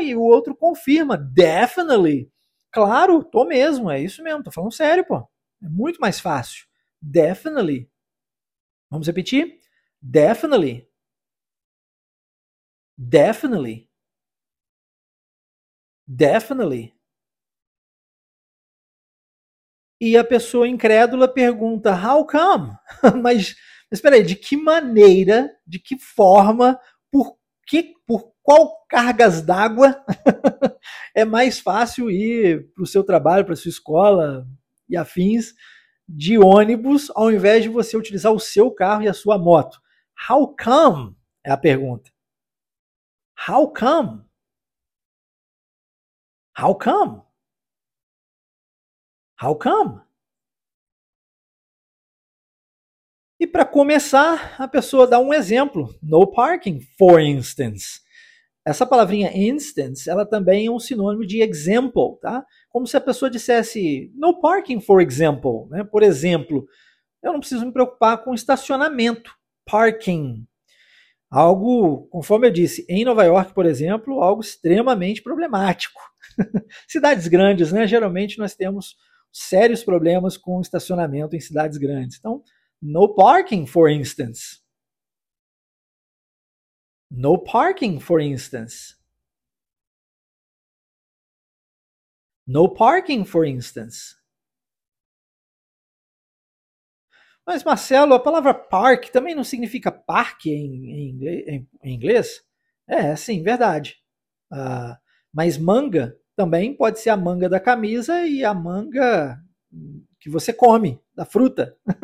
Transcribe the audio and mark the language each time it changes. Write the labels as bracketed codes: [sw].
[pt] E o outro confirma, definitely. Claro, tô mesmo, é isso mesmo, tô falando sério, pô. É muito mais fácil. Definitely. Vamos repetir? Definitely. [en] Definitely. Definitely. [pt] E a pessoa incrédula pergunta, how come? Mas espera aí, de que maneira, de que forma, por qual cargas d'água é mais fácil ir para o seu trabalho, para a sua escola e afins de ônibus ao invés de você utilizar o seu carro e a sua moto? [en] How come? É a pergunta. How come? How come? How come? [pt] E para começar, a pessoa dá um exemplo. [en] No parking, for instance. [pt] Essa palavrinha instance, ela também é um sinônimo de example, tá? Como se a pessoa dissesse, no parking, for example, né? Por exemplo, eu não preciso me preocupar com estacionamento, parking. Algo, conforme eu disse, em Nova York, por exemplo, algo extremamente problemático. Cidades grandes, né? Geralmente nós temos sérios problemas com estacionamento em cidades grandes. [en] Então, no parking, for instance. No parking, for instance. No parking, for instance. [pt] Mas, Marcelo, a palavra park também não significa parque em inglês? É, sim, verdade. Mas manga também pode ser a manga da camisa e a manga que você come, da fruta.